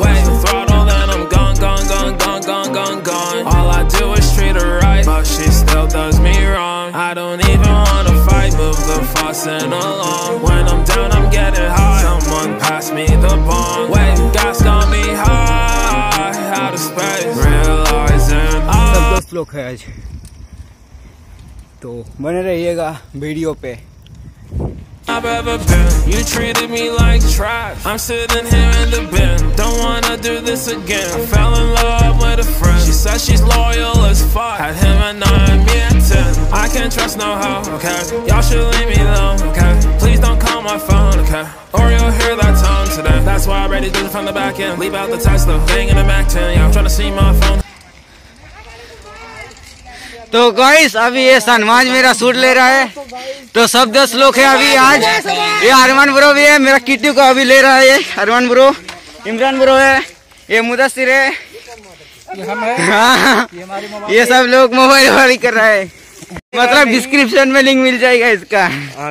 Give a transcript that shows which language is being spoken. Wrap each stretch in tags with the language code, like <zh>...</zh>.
<en>Wait, the throttle and I'm gone, gone, gone, gone, gone, gone, gone. All I do is treat her right, but she still does me wrong. I don't even wanna fight, move the fussing along. When I'm down, I'm getting high, someone pass me the bong. Wait, gas got me high.</en> <hi>लोग है आज, तो बने रहिएगा video पे।</hi> <en>I've ever been, you treated me like trash. I'm sitting here in the bin, don't wanna do this again. I fell in love with a friend, she said she's loyal as fuck. Had him and I, me and 10. I can't trust no hoe, okay. Y'all should leave me alone, okay. Please don't call my phone, okay. Or you'll hear that tone today. That's why I already did it from the back end. Leave out the Tesla, thing in the Mac 10. Y'all trying to see my phone.</en> <hi>तो guys, अभी ये सनमाज मेरा suit ले रहा है। तो सब दोस्त लोग है अभी आज, ये अरमान ब्रो भी है, मेरा किट्टी को अभी ले रहा है ये अरमान ब्रो। इमरान ब्रो है, ये मुदस्सिर है, ये सब लोग मोबाइल वाली कर रहा है, मतलब डिस्क्रिप्शन में लिंक मिल जाएगा इसका।</hi>